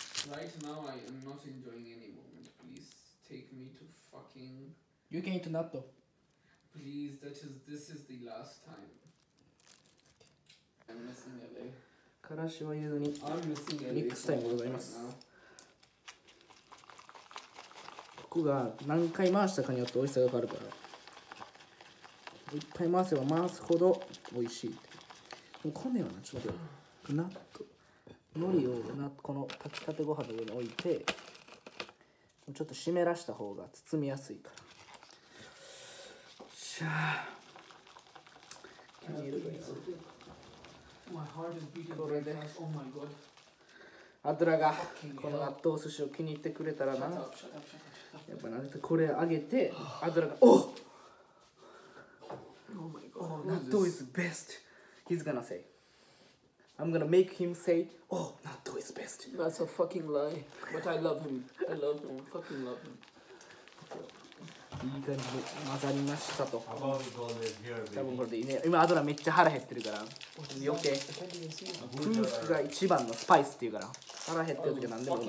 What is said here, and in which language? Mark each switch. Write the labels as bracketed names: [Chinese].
[English] Right now I am not enjoying any moment. Please take me to fucking. You can eat natto. Please, this is the last time. I'm missing LA. [Japanese] からしは入れずにミックスタイムございます。ここが何回回したかによって美味しさが変わるから、いっぱい回せば回すほど美味しい。もう米はな、ちょっと待って、納豆海苔をなこの炊きたてご飯の上に置いて、もうちょっと湿らした方が包みやすいから。しゃあ気に入るといいな。これで、アドラがこの納豆寿司を気に入ってくれたらな。やっぱなんでこれあげて、アドラが、おっ、 [English] oh, 納豆 is best! He's gonna say. I'm gonna make him say, oh, 納豆 is best! That's a fucking lie. But I love him. I love him. Fucking love him. [Japanese] いい感じで混ざりましたと。多分これでいいね。今アドラめっちゃ腹減ってるから。余計。空腹が一番のスパイスっていうから。腹減ってる時なんでもいい。